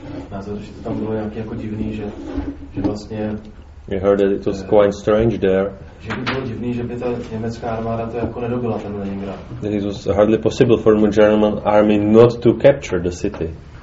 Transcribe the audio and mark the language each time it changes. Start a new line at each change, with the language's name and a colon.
Czech: Názor, že to tam bylo nějaký jako divný, že vlastně...
English: You heard that it was quite strange there.
Czech: Že by bylo divný, že by ta německá armáda to jako nedobyla, ten Leningrad.
English: That it was hardly possible for the German army not to capture the city.